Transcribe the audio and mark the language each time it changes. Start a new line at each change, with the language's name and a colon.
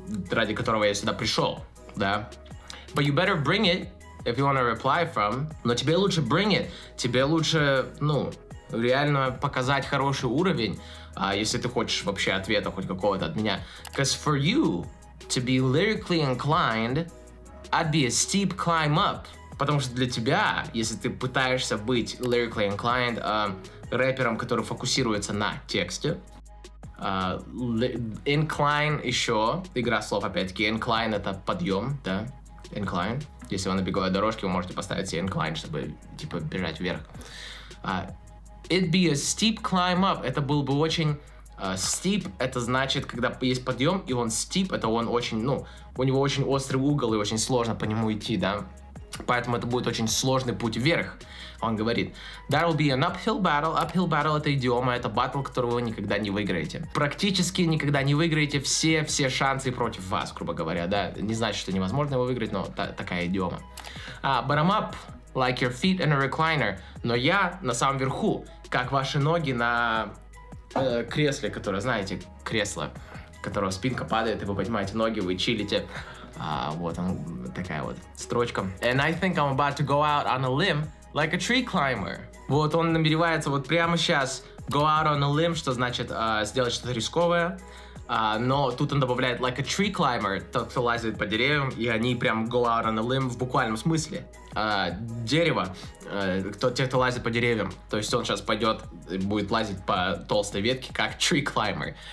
Russian: Ради которого я сюда пришел, да?
English: But you better bring it, if you wanna reply from.
Russian: Но тебе лучше
English: bring it.
Russian: Тебе лучше, ну, реально показать хороший уровень, если ты хочешь вообще ответа хоть какого-то от меня.
English: Because for you to be lyrically inclined, I'd be a steep climb up.
Russian: Потому что для тебя, если ты пытаешься быть
English: lyrically inclined,
Russian: рэпером, который фокусируется на тексте, incline еще, игра слов опять-таки, incline это подъем, да, incline, если вы на беговой дорожке, вы можете поставить себе incline, чтобы, типа, бежать вверх.
English: It'd be a steep climb up,
Russian: это был бы очень, steep, это значит, когда есть подъем, и он steep, это он очень, ну, у него очень острый угол, и очень сложно по нему идти, да, поэтому это будет очень сложный путь вверх. Он говорит,
English: that'll be an uphill battle.
Russian: Uphill battle — это идиома, это батл, которого вы никогда не выиграете. Практически никогда не выиграете, все шансы против вас, грубо говоря, да. Не значит, что невозможно его выиграть, но такая идиома.
English: But I'm up, like your feet in a recliner.
Russian: Но я на самом верху, как ваши ноги на кресле, которое, знаете, кресло, которого спинка падает, и вы поднимаете ноги, вы чилите. Вот он, такая вот строчка.
English: And I think I'm about to go out on a limb. Like a tree climber.
Russian: Вот он намеревается вот прямо сейчас
English: go out on a limb,
Russian: что значит сделать что-то рисковое. Но тут он добавляет
English: like a tree climber,
Russian: тот, кто лазит по деревьям, и они прям
English: go out on a limb
Russian: в буквальном смысле. Дерево, те, кто лазит по деревьям. То есть он сейчас пойдет, будет лазить по толстой ветке, как tree climber.